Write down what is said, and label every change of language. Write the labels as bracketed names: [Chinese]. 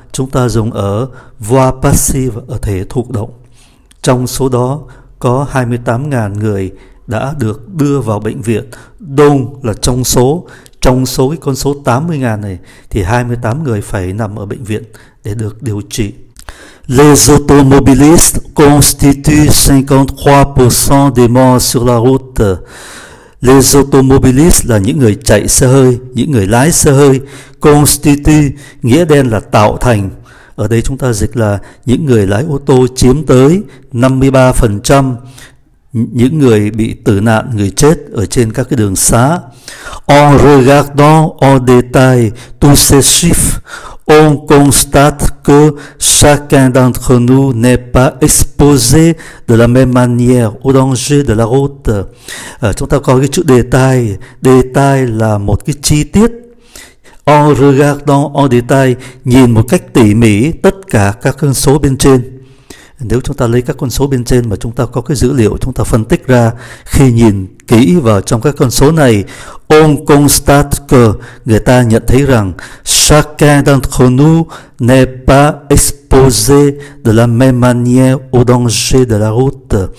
[Vietnamese] Chúng ta dùng ở voix passive, ở thể thụ động. Trong số đó có 28.000 người đã được đưa vào bệnh viện. Đông là trong số. Trong số cái con số 80.000 này thì 28 người phải nằm ở bệnh viện để được điều trị. [French] Les automobilistes constituent 53% des morts sur la route. [Vietnamese] Les automobilistes là những người chạy xe hơi, những người lái xe hơi. Constitue nghĩa đen là tạo thành. Ở đây chúng ta dịch là những người lái ô tô chiếm tới 53% những người bị tử nạn, người chết ở trên các cái đường xá. [French] En regardant en détail tous ces chiffres, on constate que chacun d'entre nous n'est pas exposé de la même manière au danger de la route. [Vietnamese] Chúng ta có cái chữ détail. Détail là một cái chi tiết. [French] En regardant en détail, [Vietnamese] nhìn một cách tỉ mỉ tất cả các con số bên trên. Nếu chúng ta lấy các con số bên trên mà chúng ta có cái dữ liệu, chúng ta phân tích ra, khi nhìn kỹ vào trong các con số này, [French] on constate que, [Vietnamese] người ta nhận thấy rằng [French] chacun d'entre nous n'est pas exposé de la même manière au danger de la route.